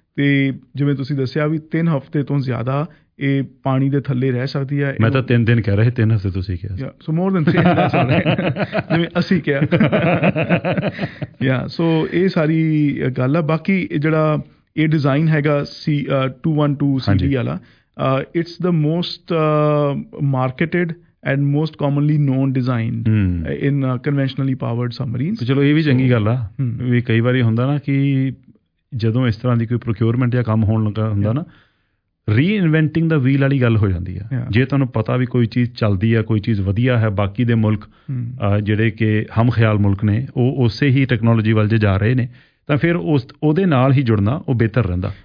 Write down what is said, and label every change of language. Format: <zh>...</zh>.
<pa>ਤੇ ਜਿਵੇਂ ਤੁਸੀਂ ਦੱਸਿਆ ਵੀ 3 ਹਫ਼ਤੇ ਤੋਂ ਜ਼ਿਆਦਾ ਇਹ ਪਾਣੀ ਦੇ ਥੱਲੇ ਰਹਿ ਸਕਦੀ ਹੈ। ਮੈਂ ਤਾਂ 3 ਦਿਨ ਕਹਿ ਰਿਹਾ ਸੀ, 3 ਹਫ਼ਤੇ ਤੁਸੀਂ ਕਿਹਾ,</pa> <en>so more than</en> <pa>3 ਹਫ਼ਤੇ ਜਿਵੇਂ ਅਸੀਂ ਕਿਹਾ। ਸੋ ਇਹ ਸਾਰੀ ਗੱਲ ਆ। ਬਾਕੀ ਜਿਹੜਾ ਇਹ ਡਿਜ਼ਾਈਨ ਹੈਗਾ 212 CD ਵਾਲਾ,</pa> <en>it's the most marketed and most commonly known design in conventionally powered submarines.</en> <pa>So, ਚਲੋ ਇਹ ਵੀ ਚੰਗੀ ਗੱਲ ਆ ਵੀ ਕਈ ਵਾਰੀ ਹੁੰਦਾ ਨਾ ਕਿ ਜਦੋਂ ਇਸ ਤਰ੍ਹਾਂ ਦੀ ਕੋਈ ਪ੍ਰੋਕਿਓਰਮੈਂਟ ਜਾਂ ਕੰਮ ਹੋਣ ਲੱਗਾ ਹੁੰਦਾ ਨਾ</pa> <en>reinventing the wheel</en> <pa>ਵਾਲੀ ਗੱਲ ਹੋ ਜਾਂਦੀ ਆ ਜੇ ਤੁਹਾਨੂੰ ਪਤਾ ਵੀ ਕੋਈ ਚੀਜ਼ ਚੱਲਦੀ ਆ ਕੋਈ ਚੀਜ਼ ਵਧੀਆ ਹੈ ਬਾਕੀ ਦੇ ਮੁਲਕ ਜਿਹੜੇ ਕਿ ਹਮ ਖਿਆਲ ਮੁਲਕ ਨੇ ਉਹ ਉਸੇ ਹੀ ਟੈਕਨੋਲੋਜੀ ਵੱਲ ਜਾ ਰਹੇ ਨੇ ਤਾਂ ਫਿਰ ਉਸ ਉਹਦੇ ਨਾਲ ਹੀ ਜੁੜਨਾ ਉਹ ਬਿਹਤਰ ਰਹਿੰਦਾ</pa>